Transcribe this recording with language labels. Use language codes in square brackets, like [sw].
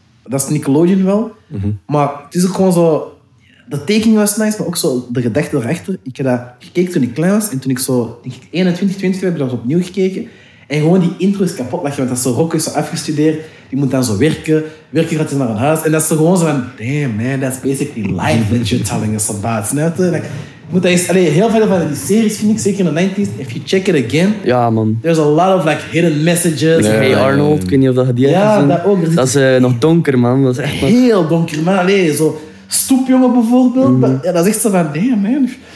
[nl] Dat is Nickelodeon wel. Mm-hmm. Maar het is ook gewoon zo... De tekening was nice, maar ook zo de gedachte erachter. Ik heb dat gekeken toen ik klein was. En toen ik zo, denk ik, 21, 22 heb ik dat opnieuw gekeken. En gewoon die intro is kapot. Lachen, want dat is zo Rocko is zo afgestudeerd. Die moet dan zo werken. Werken gaat hij naar een huis. En dat is gewoon zo van... [en] Damn, man, that's basically life that you're telling us about. [nl] Snap je? Like, moet eens, allee, heel veel van die series vind ik, zeker in de 90s. [en] If you check it again, [nl] ja, man. [en] There's a lot of like hidden messages. [nl] Nee, hey Arnold, ik weet niet of dat je die hebt gezien. Ja, dat ook. Dat is nog donker, man. Dat is echt wat... Heel donker, man. Allee, zo stoepjongen bijvoorbeeld. Mm-hmm. Dat is echt zo van, damn, man.